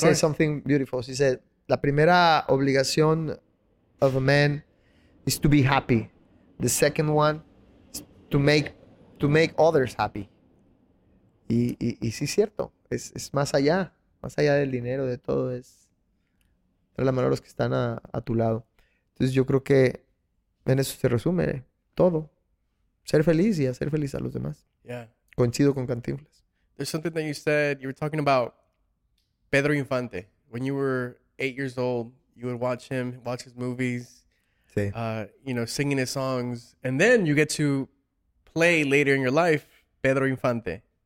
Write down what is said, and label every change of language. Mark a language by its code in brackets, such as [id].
[en] Said something beautiful. He said, [es] la primera obligación [en] of a man is to be happy. The second one is to make others happy. [es] Y sí, cierto. Es más allá del dinero, de todo. Es la mano de los que están a tu lado. Entonces yo creo que en eso se resume todo. Ser feliz y hacer feliz a los demás. [en] Yeah. [es] Coincido con Cantinflas. [en] There's something that you said, you were talking about Pedro Infante. When you were 8 years old, you would watch him, watch his movies, [es] sí. [en] You know, singing his songs. And then you get to play later in your life, Pedro Infante.